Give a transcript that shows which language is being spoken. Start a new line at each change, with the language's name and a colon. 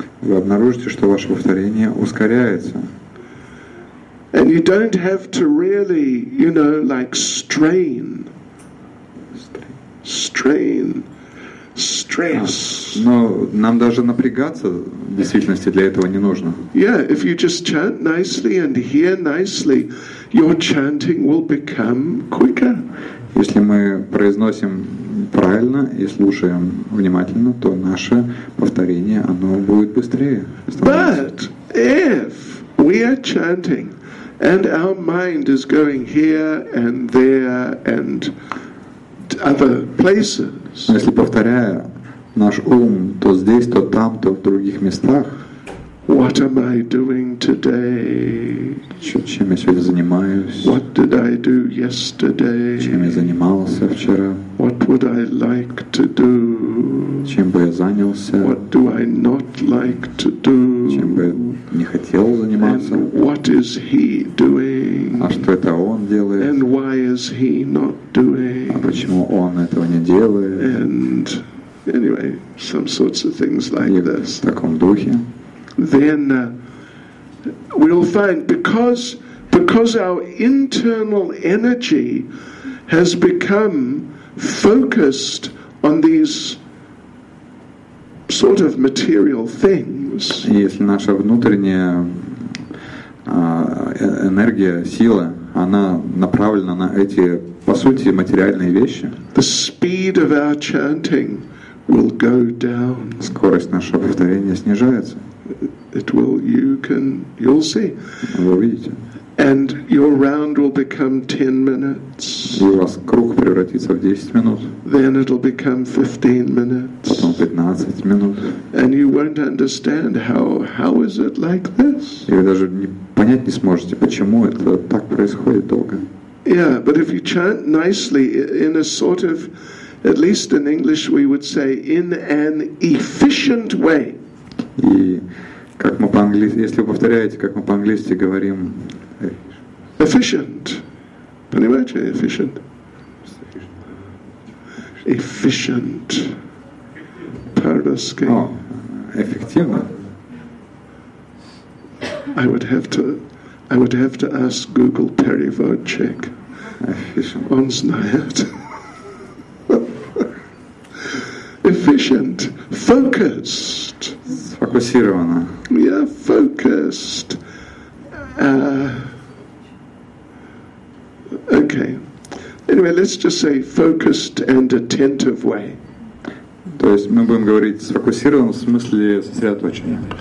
Russian: Вы обнаружите, что ваше повторение ускоряется.
English: And you don't have to really, you know, like strain. Strain. Stress.
Russian: Но нам даже напрягаться в действительности для этого не нужно.
English: Yeah, if you just chant nicely and hear nicely, your chanting will become quicker.
Russian: Если мы произносим правильно и слушаем внимательно, то наше повторение, оно будет быстрее.
English: But if we are chanting and our mind is going here and there and other places.
Russian: Но если повторяя наш ум то здесь, то там, то в других местах.
English: What am I doing today?
Russian: Чем я сегодня занимаюсь?
English: What did I do yesterday?
Russian: Чем я занимался вчера?
English: What would I like to do?
Russian: Чем бы я занялся?
English: What do I not like to do?
Russian: Чем бы не хотел заниматься?
English: And what is he doing?
Russian: А что это он делает?
English: And why is he not doing?
Russian: А почему он этого не делает?
English: And anyway, some sorts of things like this.
Russian: В таком духе.
English: Then we'll find because our internal energy has become focused on these sort of material things.
Russian: Если наша внутренняя энергия, сила, она направлена на эти, по сути, материальные вещи.
English: The speed of our chanting will go down.
Russian: Скорость нашего повторения снижается.
English: It will. You'll see.
Russian: Вы увидите.
English: And your round will become 10 minutes.
Russian: И у вас круг превратится в 10 минут.
English: Then it'll become 15 minutes.
Russian: Потом 15 минут.
English: And you won't understand how is it like this?
Russian: И вы даже не понять не сможете, почему это так происходит долго.
English: Yeah, but if you chant nicely in a sort of, at least in English, we would say in an efficient way.
Russian: И как мы по-английски, если вы повторяете, как мы по-английски говорим.
English: Efficient.
Russian: Понимаете?
English: Efficient.
Russian: Efficient. По-русски. Эффективно.
English: I would have to ask Google перевод check. Efficient.
Russian: Он знает.
English: Efficient. Focused.
Russian: Сфокусировано.
English: Yeah, focused. Okay. Anyway, let's just say focused and attentive way.
Russian: То есть мы будем говорить сфокусирован в смысле сосредоточения.